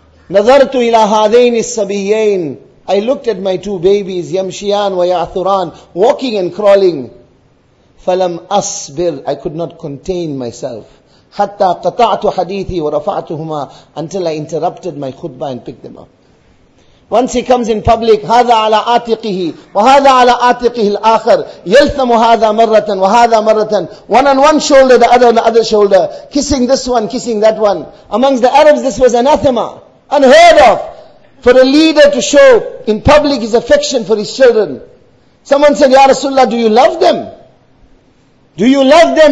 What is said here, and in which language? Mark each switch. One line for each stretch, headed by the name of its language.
Arabic: Nadartu ila hadaini sabiyain.
English: I looked at my two babies,
Arabic: yamshiyan wa ya'thuran,
English: walking and crawling.
Arabic: Falam asbir,
English: I could not contain myself.
Arabic: Hatta qata'tu hadithi wa rafa'tuhuma,
English: until I interrupted my khutbah and picked them up. Once he comes in public,
Arabic: هذا على آتقه وهذا على آتقه الآخر يلثم هذا مرة وهذا مرة.
English: One on one shoulder, the other on the other shoulder. Kissing this one, kissing that one. Amongst the Arabs, this was anathema. Unheard of. For a leader to show in public his affection for his children. Someone said, Ya Rasulullah, do you love them? Do you love them?